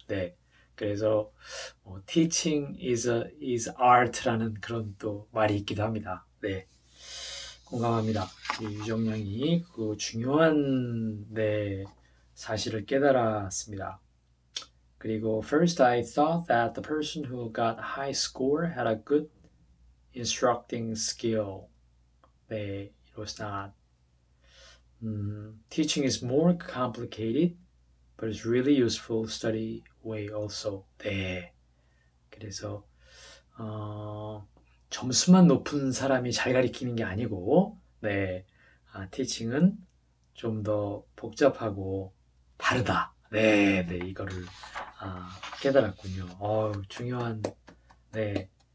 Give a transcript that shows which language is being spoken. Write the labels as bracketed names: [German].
[Korean] 네, 그래서 뭐, [English] teaching is art [Korean] 라는 그런 또 말이 있기도 합니다. 네. 공감합니다. 유정양이 그 중요한 네, 사실을 깨달았습니다. [English] 그리고 First, I thought that the person who got high score had a good instructing skill. [Korean] 네, 이런 [English] was not. Teaching is more complicated, but it's really useful study way also. [Korean] 네. 그래서 점수만 높은 사람이 잘 가르치는 게 아니고, 네. 아, 티칭은 좀더 복잡하고 다르다. 네. 이거를 깨달았군요. 중요한 네.